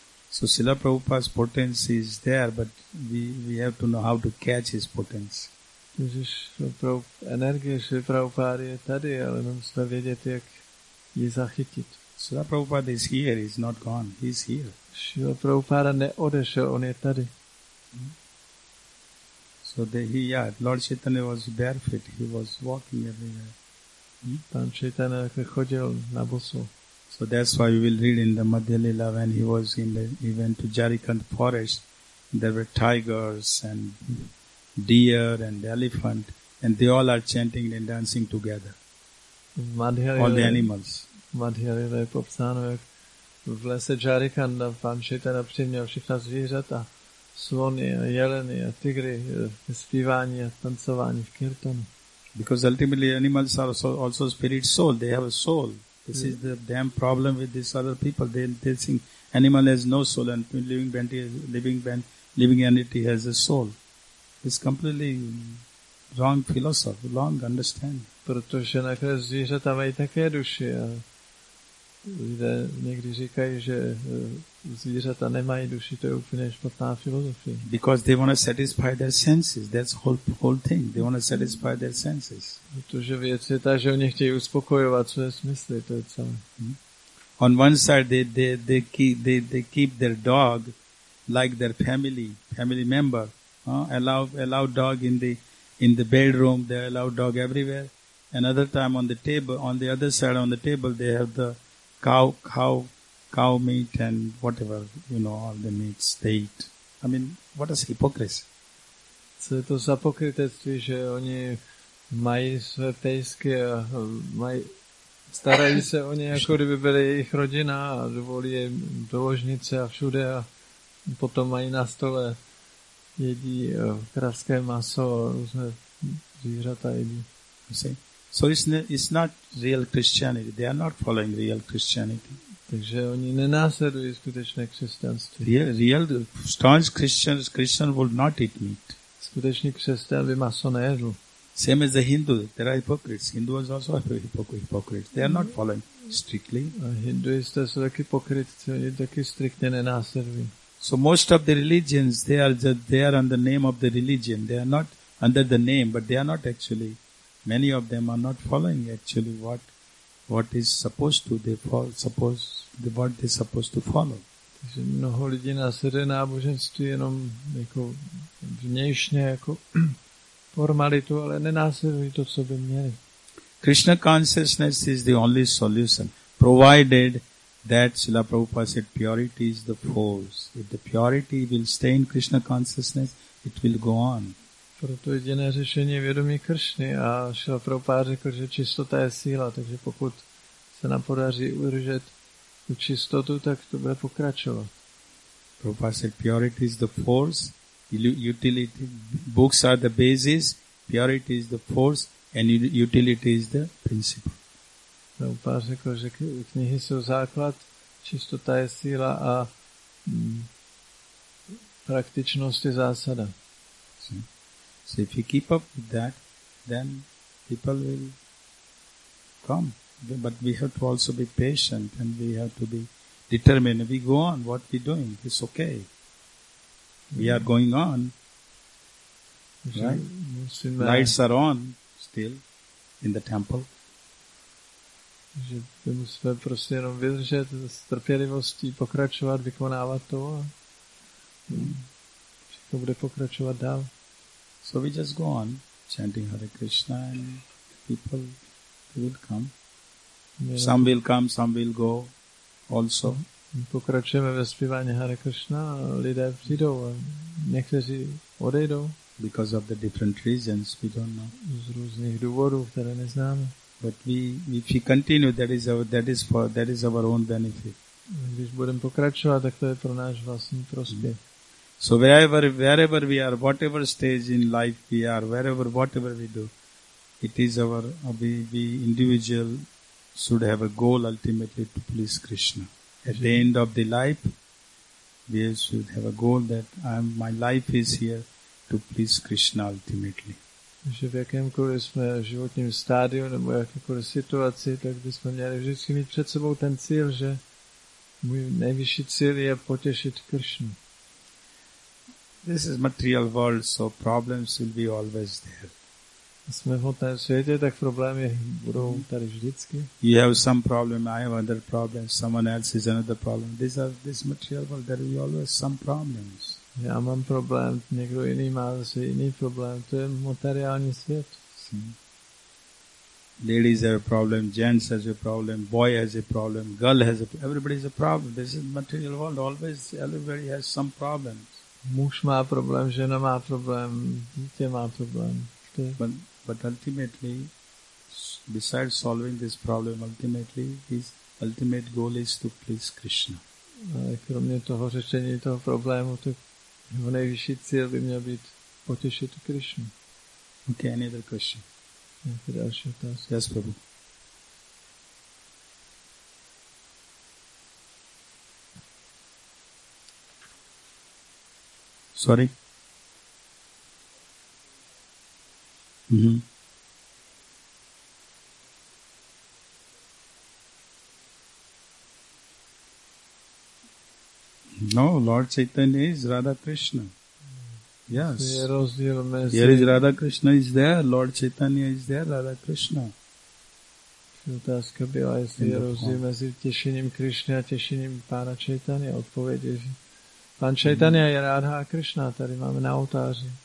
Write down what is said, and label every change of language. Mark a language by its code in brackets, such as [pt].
[en] So Srila Prabhupada's potency is there, but we have to know how to catch his potency. [cs] Takže energie Srila Prabhupada je tady, ale my musíme vědět, jak ji zachytit. [en] Srila Prabhupada is here, he's not gone, he's here. [cs] Srila Prabhupada neodešel, on je tady. [en] So So he, yeah, Lord Chaitanya was barefoot. He was walking everywhere. [cs] Pan Chaitanya chodil na busu. [en] So that's why you will read in the Madhya Lila when he was in the, he went to Jharkhand forest, there were tigers and deer and elephant, and they all are chanting and dancing together. All the animals. [cs] Madhya Lila je popsáno, jak v lese Jharkhanda pan Chaitanya přiměl všechna zvířata, slony a jeleny a tigry, zpívání a tancování v kirtanu. [en] Because ultimately animals are also spirit soul, they have a soul. This is the damn problem with these other people. They think animal has no soul and living entity has a soul. It's completely wrong philosophy, wrong understanding. [cs] Protože nakonec zvířata mají také duši a lidé někdy říkají, že zvířata nemají duši, to je úplně špatná filozofie. [en] Because they want to satisfy their senses, that's the whole thing. They want to satisfy their senses. [cs] Protože věc je ta, že oni chtějí uspokojovat své smysly, to je celé. [en] On one side they keep their dog like their family member. Allow dog in the bedroom, they allow dog everywhere. Another time on the table, on the other side on the table, they have the cow meat and whatever, you know, all the meats they eat. I mean, what is hypocrisy? [cs] Co je to za pokrytectví, že oni mají své pejsky a mají, starají se o ně, jako kdyby byli jejich rodina a dovolí jim do ložnice a všude a potom mají na stole, jedí kravské maso a různé zvířata jedí. [en] So it's not real Christianity. They are not following real Christianity. [cs] Takže oni nenásledují skutečné křesťanství. [en] Real staunch Christian would not eat meat. [cs] Skutečný křesťan by maso nejedl. [en] Same as the Hindu. There are hypocrites. Hindus also are hypocrites. They are not following strictly. [cs] A hinduisté jsou taky pokrytci, oni taky striktně nenásledují. [en] So most of the religions, they are under the name of the religion. They are not under the name, but they are not actually. Many of them are not following actually what is supposed to. They follow, suppose the what they supposed to follow. [cs] Takže mnoho lidí následuje náboženství jenom jako vnějšně jako formalitu, ale nenásledují to, co by měli. [en] Krishna consciousness is the only solution, provided that Srila Prabhupada said purity is the force. If the purity will stay in Krishna consciousness, it will go on. [cs] Proto jediné řešení je vědomí Kršny a Šila Prabhupáda řekl, že čistota je síla, takže pokud se nám podaří udržet tu čistotu, tak to bude pokračovat. Prabhupáda řekl, [en] purity is the force, utility, books are the basis, purity is the force and utility is the principle. [cs] Prabhupáda řekl, že knihy jsou základ, čistota je síla a praktičnost je zásada. [en] So if you keep up with that, then people will come. But we have to also be patient and we have to be determined. We go on, what we're doing, it's okay. We are going on. Right? Lights are on still in the temple. [cs] Že by musíme prostě jenom vydržet s trpělivostí, pokračovat, vykonávat to a všechno bude pokračovat dál. [en] So we just go on chanting Hare Krishna and people will come. Yeah. Some will come, some will go also. [cs] Pokračujeme ve zpívání Hare Krishna, lidé přijdou a někteří odejdou. [en] Because of the different reasons we don't know. [cs] Z různých důvodů, které neznáme. [en] But if we continue, that is our own benefit. [cs] Když budeme pokračovat, tak to je pro náš vlastní prospěch. [en] So wherever we are, whatever stage in life we are, wherever, whatever we do, it is our, we individual should have a goal ultimately to please Krishna. At the end of the life, we should have a goal that my life is here to please Krishna ultimately. [cs] Že v jakémkoliv jsme životním stádiu nebo jakékoliv situaci, tak bychom měli vždycky mít před sebou ten cíl, že můj nejvyšší cíl je potěšit Krishnu. [en] This is material world, so problems will be always there. [cs] Jsme v hodném světě, tak problémy budou tady vždycky. [en] You have some problem, I have other problem, someone else is another problem. This is material world, there will be always some problems. [cs] Já mám problém, někdo jiný má zase jiný problém, to je materiální svět. [en] Ladies have a problem, gents has a problem, boy has a problem, girl has a problem, everybody has a problem. This is material world, always everybody has some problems. [cs] Muž má problém, žena má problém, dítě má problém. [en] But ultimately, besides solving this problem, ultimately, his ultimate goal is to please Krishna. [cs] Ale kromě toho řešení toho problému, tak jeho nejvyšší cíl by měl být potěšit Krishnu. [en] Okay, any other question? [cs] Nějaké další otázky? [en] Yes, Prabhu. Sorry? Mm-hmm. No, Lord Chaitanya is Radha Krishna. Yes. Here is Radha Krishna is there, Lord Chaitanya is there, Radha Krishna. [cs] Otázka byla, jestli je rozdíl mezi těšením Krishna a těšením Pána Chaitanya. Odpověď je, že Pán Chaitanya je Radha a Krishna, tady máme na oltáři.